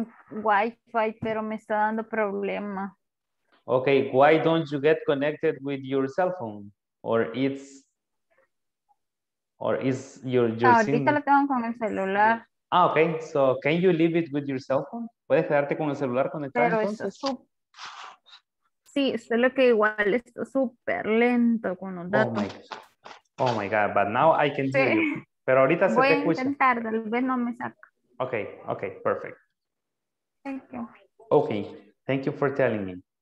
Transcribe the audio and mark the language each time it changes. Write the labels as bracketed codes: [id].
[es] Wi-Fi, pero me está dando problema. [en] Okay, why don't you get connected with your cell phone? [es] Ahorita lo tengo con el celular. [en] Ah, okay. So, can you leave it with your cell phone? [es] ¿Puedes quedarte con el celular conectado? Pero entonces? Sí, solo que igual es súper lento con los datos. [en] Oh my God, but now I can hear you. [es] Pero ahorita se voy te escucha. Voy a intentar, tal vez no me saca. [en] Okay, okay, perfect. Thank you. Okay, thank you for telling me.